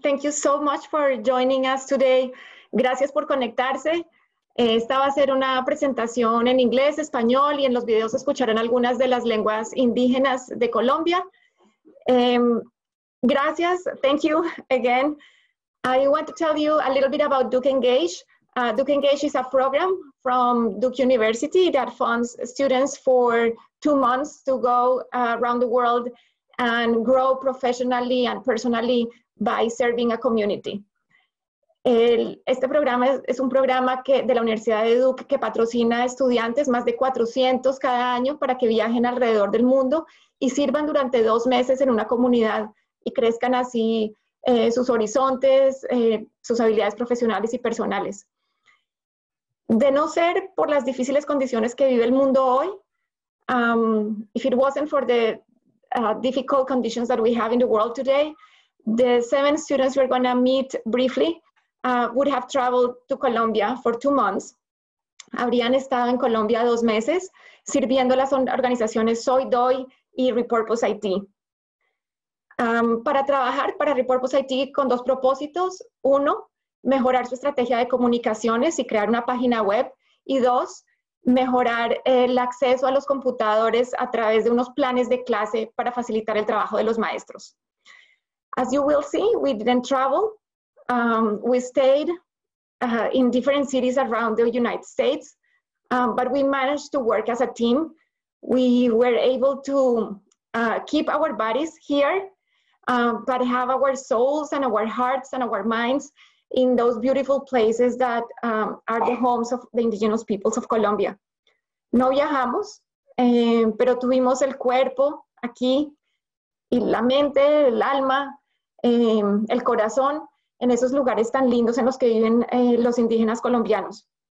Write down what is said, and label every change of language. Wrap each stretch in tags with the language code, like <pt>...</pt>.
<en>Thank you so much for joining us today.</en> <es>Gracias por conectarse. Esta va a ser una presentación en inglés, español, y en los videos escucharán algunas de las lenguas indígenas de Colombia. Gracias.</es> <en>Thank you again. I want to tell you a little bit about Duke Engage. Duke Engage is a program from Duke University that funds students for 2 months to go around the world and grow professionally and personally by serving a community.</en> <es>Este programa es un programa de la Universidad de Duke que patrocina estudiantes, más de 400 cada año, para que viajen alrededor del mundo y sirvan durante 2 meses en una comunidad y crezcan así sus horizontes, sus habilidades profesionales y personales. De no ser por las difíciles condiciones que vive el mundo hoy,</es> <en>if it wasn't for the difficult conditions that we have in the world today, the 7 students we're going to meet briefly would have traveled to Colombia for 2 months.</en> <es>Habrían estado en Colombia 2 meses, sirviendo a las organizaciones Soy Doy y Repurpose-It. Para trabajar para Repurpose-It con dos propósitos: uno, mejorar su estrategia de comunicaciones y crear una página web, y dos, mejorar el acceso a los computadores a través de unos planes de clase para facilitar el trabajo de los maestros.</es> <en>As you will see, we didn't travel. We stayed in different cities around the United States, but we managed to work as a team. We were able to keep our bodies here, but have our souls and our hearts and our minds in those beautiful places that are the homes of the indigenous peoples of Colombia.</en> <es>No viajamos, pero tuvimos el cuerpo aquí, y la mente, el alma, el corazón, en esos lugares tan lindos en los que viven los indígenas colombianos.</es>